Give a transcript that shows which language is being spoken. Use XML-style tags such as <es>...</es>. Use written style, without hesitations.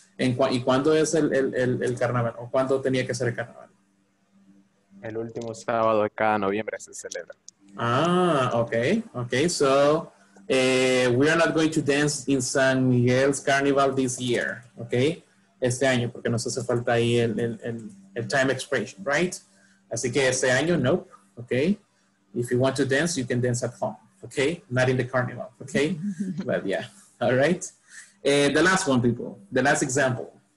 <es>¿Y cuándo es el carnaval? ¿O cuándo tenía que ser el carnaval? El último sábado de cada noviembre se celebra. Ah, okay.</es> <en>Okay, so we are not going to dance in San Miguel's carnival this year. Okay?</en> <es>Este año, porque nos hace falta ahí el time expression, right? Así que este año, nope. Okay?</es> <en>If you want to dance, you can dance at home. Okay? Not in the carnival. Okay? But yeah. All right. The last one, people. The last example.</en>